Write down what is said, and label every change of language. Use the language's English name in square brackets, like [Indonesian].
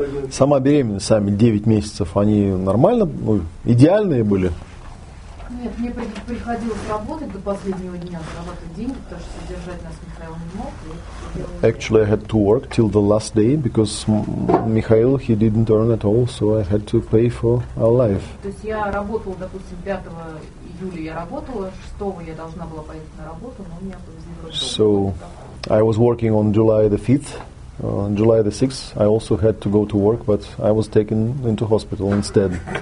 [Russian] Сама беременность, сами 9 месяцев, они нормально, ну, идеальные были? Нет, мне приходилось работать до последнего дня, зарабатывать деньги, потому что содержать нас Михаил не мог. [English] Actually, I had to work till the last day, because Михаил, he didn't earn at all, so I had to pay for our life. [Russian] То есть я работала, допустим, 5 июля я работала, 6 я должна была поехать на работу, но меня повезли в роддом. [English] So, I was working on July the 5th. On July the 6th, I also had to go to work, but I was taken into hospital instead.